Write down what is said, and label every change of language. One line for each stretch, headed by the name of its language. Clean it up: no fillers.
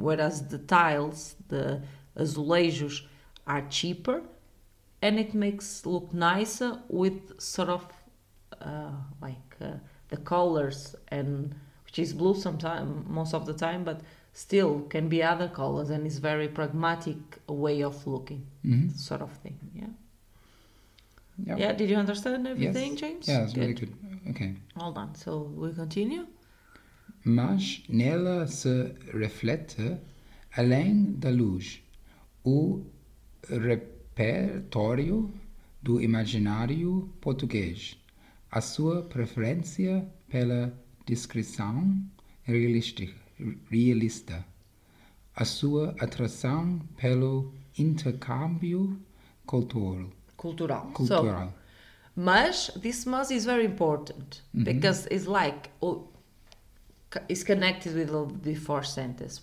English: Whereas the tiles, the azulejos, are cheaper and it makes look nicer with sort of like the colors, and which is blue sometimes, most of the time, but still can be other colors, and it's very pragmatic way of looking, sort of thing. Yeah, did you understand everything, James? Yeah, it's really good. Okay. Hold on, so we continue.
Portuguese: Mas nela se reflete, além da luz, o repertório do imaginário português, a sua preferência pela descrição realista, a sua atração pelo intercâmbio cultural. Cultural.
English: So, mas, this must is very important, because it's like, it's connected with the before sentence.